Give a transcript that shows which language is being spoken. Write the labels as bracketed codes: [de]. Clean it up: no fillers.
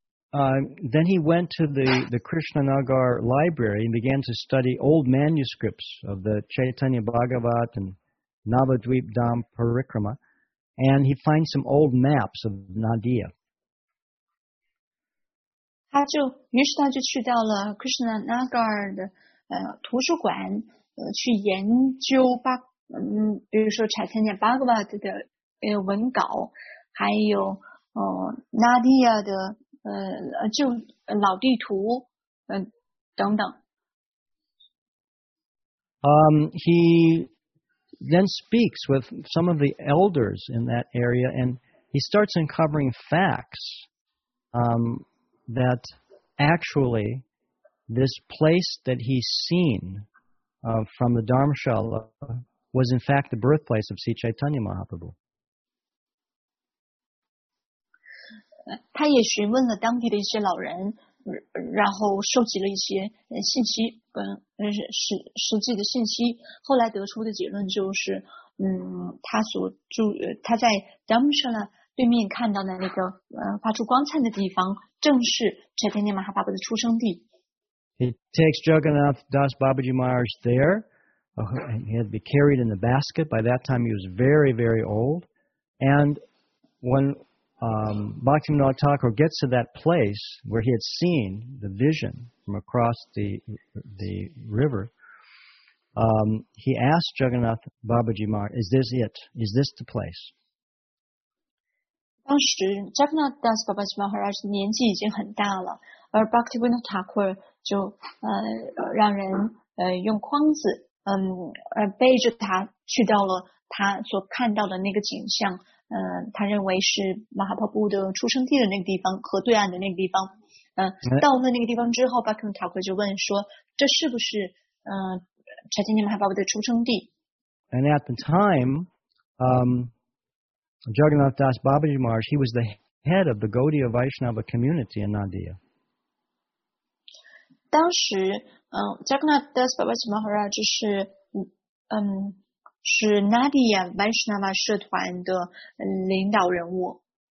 [en] Then he went to the Krishnanagar library and began to study old manuscripts of the Chaitanya Bhagavat and Navadvip Dham Parikrama. And he finds some old maps of Nadia. [zh] 于是他就去到了 Krishnanagar 的图书馆，去研究比如说 Chaitanya Bhagavat 的文稿，还有Nadia 的旧老地图，等等。 [en] He then speaks with some of the elders in that area, and he starts uncovering facts that actually this place that he's seen from the Dharmshala was in fact the birthplace of Sri Chaitanya Mahaprabhu. [zh] 他也询问了当地的一些老人，然后收集了一些信息，实际的信息，后来得出的结论就是，他在 Dharmshala 对面看到的那个发出光灿的地方，正是 Chaitanya Mahaprabhu 的出生地。 [en] He takes Jagannath Das Babaji Maharaj there, and he had to be carried in the basket. By that time, he was very, very old. And when Bhaktivinoda Thakur gets to that place where he had seen the vision. From across the river, he asked Jagannath Babaji Maharaj, "Is this it? Is this the place?" [zh] 当时 Jagannath Das Babaji Maharaj 年纪已经很大了，而 Bhaktivinoda Thakur 就让人用筐子背着他去到了他所看到的那个景象，他认为是马哈帕布的出生地的那个地方，河对岸的那个地方。到了那个地方之后，巴克姆塔克就问说：“这是不是查金尼马哈巴布的出生地 [en] ？”And at the time, Jagannath Das Babaji Maharaj, he was the head of the Gaudiya Vaishnava community in Nadia. [zh] 当时，Jagannath Das Babaji Maharaj 是是 Nadia Vaishnava 社团的领导人物。